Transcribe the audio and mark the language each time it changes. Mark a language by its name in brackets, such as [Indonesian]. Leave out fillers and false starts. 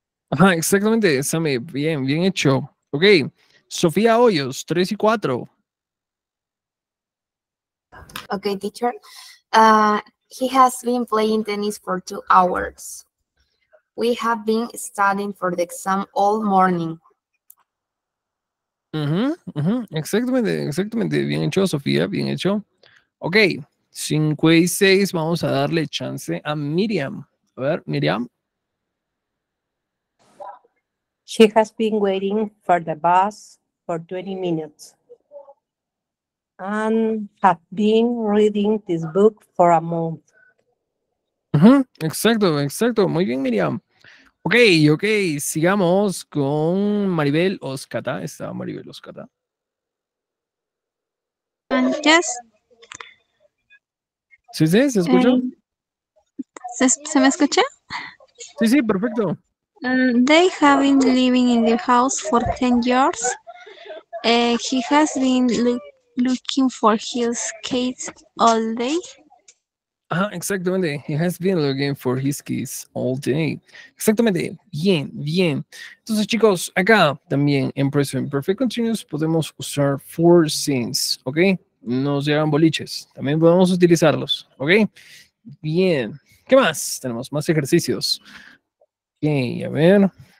[Spanish] Ajá, exactamente, Sammy. Bien, bien hecho. Okay. Sofía Hoyos, 3 y 4. [English] Okay, teacher. He has been playing tennis for 2 hours. We have been studying for the exam all morning. [Spanish] Exactamente, exactamente. Bien hecho, Sofía, bien hecho. Ok, 5 y 6, vamos a darle chance a Miriam. A ver, Miriam. [English] She has been waiting for the bus for 20 minutes. And have been reading this book for a month. [Spanish] Exacto, exacto. Muy bien, Miriam. Ok, ok. Sigamos con Maribel Oscata. Está Maribel Oscata. [English] Yes. [Spanish] Sí, sí, se escucha. ¿Se me escucha? Sí, sí, perfecto. [English] They have been living in the house for 10 years. He has been looking for his kids all day. [Spanish] Ajá, exactamente. [English] He has been looking for his keys all day. [Spanish] Exactamente. Bien, bien. Entonces, chicos, acá también en present perfect continuous podemos usar for since, ¿ok? Nos llegan boliches. También podemos utilizarlos, ¿ok? Bien. ¿Qué más? Tenemos más ejercicios. Ok, a ver.